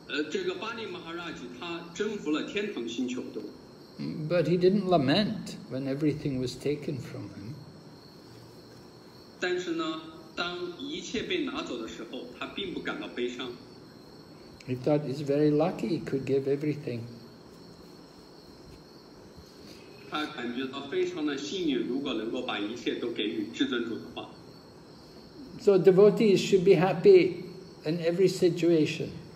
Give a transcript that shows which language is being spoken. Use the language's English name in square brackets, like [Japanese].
[Chinese] 这个巴尼马哈拉吉他征服了天堂星球都。 [English] But he didn't lament when everything was taken from him. [Chinese] 但是呢，当一切被拿走的时候，他并不感到悲伤。 [English] He thought he's very lucky he could give everything. [Chinese] 他感觉到非常的幸运，如果能够把一切都给予至尊主的话。 [English] So devotees should be happy in every situation.